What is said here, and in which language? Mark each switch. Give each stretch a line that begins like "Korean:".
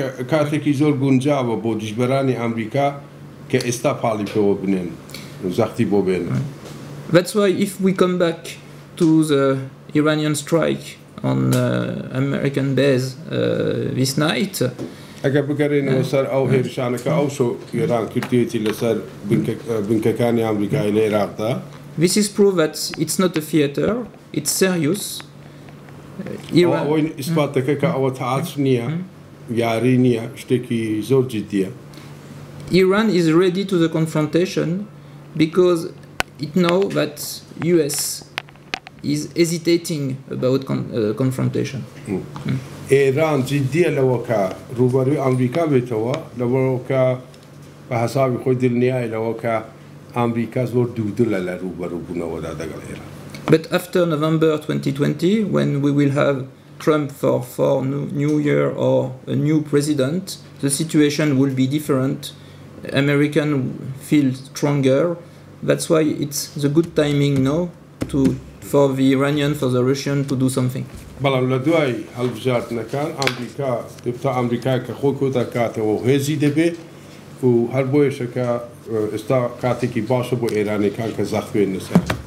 Central Kurdish: کاتێکی زۆر گونجاوە بۆ دژبەرانی ئەمریکا کە ئێستا پاڵی پێوە بنێن زەختی بۆ بێن
English: That's why if we come back to the Iranian strike on American base this night
Central Kurdish: اگر بگرین لەسەر ئەو هێرشانەکە ئەو شو ئێران کردیتی لەسەر بنکەکانی ئەمریکای لە عێراقدا
English: This is proof that it's not a theater, it's serious.
Central Kurdish: ئەوە ئیسپات دەکە کە ئەوە تەعاتر نییە، یاری نییە، شتێکی زۆر جددیە.
English: Iran is ready to the confrontation because it knows that US is hesitating about confrontation.
Central Kurdish: ئێران جددیە لەوە کە ڕووبەروی ئەمریکا بێتەوە لەوەوە کە بە حسابی خۆی دڵنیایە لەوە کە ئەمریکا زۆر دوودلە لە ڕووبەروو بوونەوەدا دەگەڵ ئێران
English: But after November 2020, when we will have Trump for New Year or a new president, the situation will be different. American feel stronger. That's why it's the good timing now to for the Iranian, for the Russian to do something.
Central Kurdish: بەڵام لە دوای هەڵبژاردنەکان ئەمریکا دەبێت ئەمریکای کە خۆی کۆ دەکاتەوە هێزی دەبێت و هەر بۆ ئێشەکە ئێستا کاتێکی باشە بۆ ئێرانیەکان کە زەخوێن لەسەر